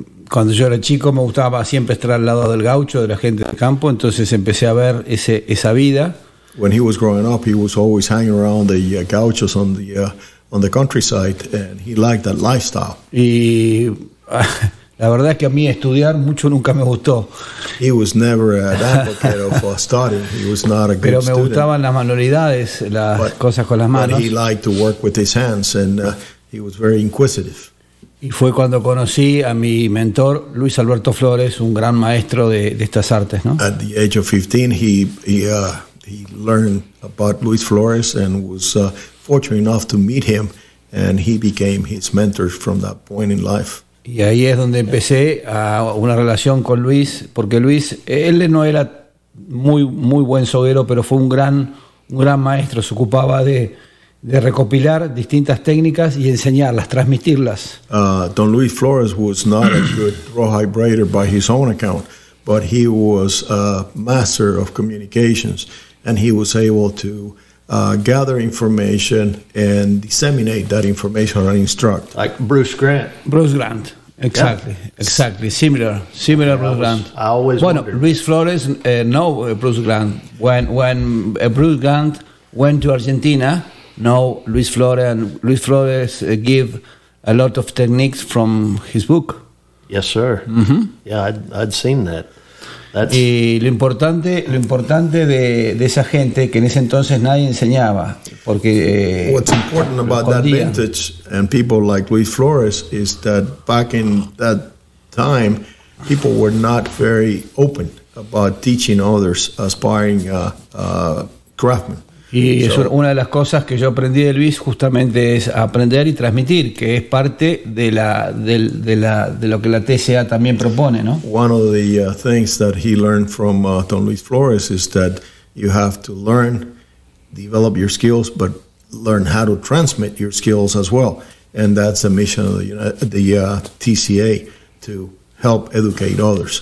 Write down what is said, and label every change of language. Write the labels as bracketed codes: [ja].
[es] Cuando yo era chico me gustaba siempre estar al lado del gaucho, de la gente del campo, entonces empecé a ver esa vida. [en] When he was growing up, he was always hanging around the gauchos on the countryside, and he liked that lifestyle. [es] Y la verdad es que a mí estudiar mucho nunca me gustó. [en] He was never an advocate of studying. He was not a good student. [es] Pero me gustaban las manualidades, cosas con las manos. [en] But he liked to work with his hands, and he was very inquisitive. [es] Y fue cuando conocí a mi mentor, Luis Alberto Flores, un gran maestro de estas artes, ¿no? [en] At the age of 15, he learned about Luis Flores and was fortunate enough to meet him, and he became his mentor from that point in life. [es] Y ahí es donde empecé a una relación con Luis, porque Luis, él no era muy, muy buen soguero, pero fue un gran maestro, se ocupaba de recopilar distintas técnicas y enseñarlas, transmitirlas. [en] Don Luis Flores was not a good rawhide breeder by his own account, but he was a master of communications, and he was able to gather information and disseminate that information and instruct. Like Bruce Grant. Bruce Grant. Exactly. Yeah. Exactly. Similar. Yeah, Bruce Grant. I always wondered. Luis Flores know Bruce Grant. When Bruce Grant went to Argentina, know Luis Flores, and Luis Flores give a lot of techniques from his book. Yes, sir. Mm-hmm. Yeah, I'd seen that. [es] Y lo importante de esa gente que en ese entonces nadie enseñaba porque [en] what's important about that vintage and people like Luis Flores is that back in that time people were not very open about teaching others aspiring craftsmen. [es] Y eso, una de las cosas que yo aprendí de Luis justamente es aprender y transmitir, que es parte de lo que la TCA también propone, ¿no? [en] One of the things that he learned from Don Luis Flores is that you have to learn, develop your skills, but learn how to transmit your skills as well. And that's a mission of the TCA, to help educate others.